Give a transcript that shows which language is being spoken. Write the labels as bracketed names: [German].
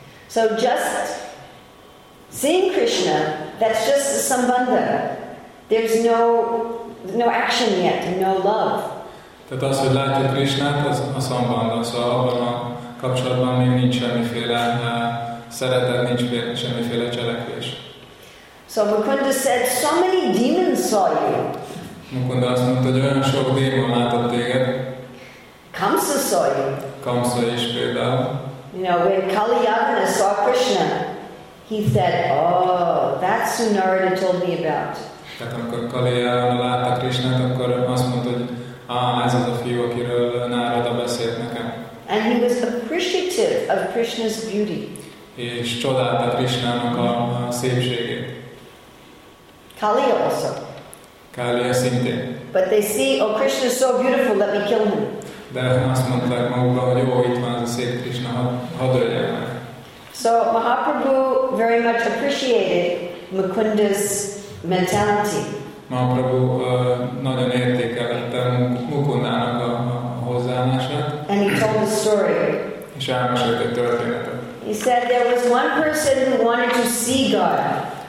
[English] So just seeing Krishna, that's just the Sambandha. There's no action yet, no love. [Hungarian] Tehát az, hogy látja Krishnát, az a Sambandha, szóval abban a kapcsolatban még nincs semmiféle szeretet, nincs semmiféle cselekvés. [English] So Mukunda said, so many demons saw you. [Hungarian] Mukunda azt mondta, hogy olyan sok démon látott téged. [English] Kamsa saw you. [Hungarian] Kamsa is például. [English] You know, when Kali Yavana saw Krishna, he said, oh, that's who Narada told me about. [Hungarian] Tehát amikor Kali Yavana látta Krishnát, akkor azt mondta, hogy ez az a fiú, akiről Narada beszélt nekem. [English] And he was appreciative of Krishna's beauty. [Hungarian] És csodálta Krishnának a szépségét. [English] Kali also. [Hungarian] Kali szintén. [English] But they see, oh, Krishna is so beautiful, let me kill him. [Hungarian] De azt mondták magukra, hogy jó, itt van ez a szép Krisna, hadd öljen meg. [English] So Mahaprabhu very much appreciated Mukunda's mentality. [Hungarian] Mahaprabhu nagyon értékelte Mukundának a hozzáállását. [English] And he told the story. [Hungarian] És elmesélte a történetet. [English] He said there was one person who wanted to see God.